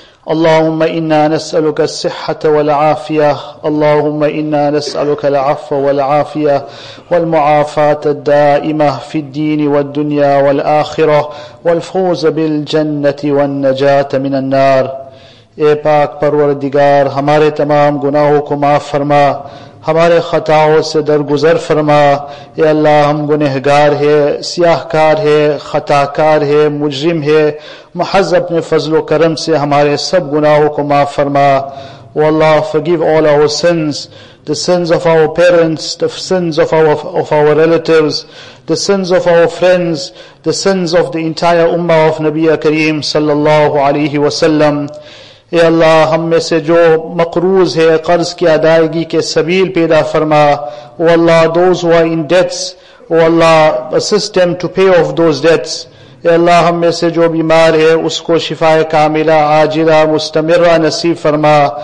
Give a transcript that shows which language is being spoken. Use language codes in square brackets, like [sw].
[ar] اللهم إنا نسألك الصحة والعافية، اللهم إنا نسألك العفو والعافية والمعافاة الدائمة في الدين والدنيا والآخرة، والفوز بالجنة والنجاة من النار. [ur] اے پاک پروردگار، ہمارے تمام گناہوں کو معاف فرما، ہمارے خطاؤں سے درگزر فرما. اے اللہ، ہم گنہگار ہے، سیاہ کار ہے، خطا کار ہے، مجرم ہے، محض اپنے فضل و کرم سے ہمارے سب گناہوں کو معاف فرما. [en] و اللہ، forgive all our sins, the sins of our parents, the sins of our relatives, the sins of our friends, the sins of the entire امہ of نبی کریم صلی اللہ علیہ وسلم. [ur] اے اللہ، ہم میں سے جو مقروض ہے، قرض کی ادائیگی کے سبیل پیدا فرما. [en] O اللہ، those who in debts, O اللہ، assist them to pay off those debts. [ur] اے اللہ، ہم میں سے جو بیمار ہے، اس کو شفا کاملہ عاجلہ مستمرہ نصیب فرما.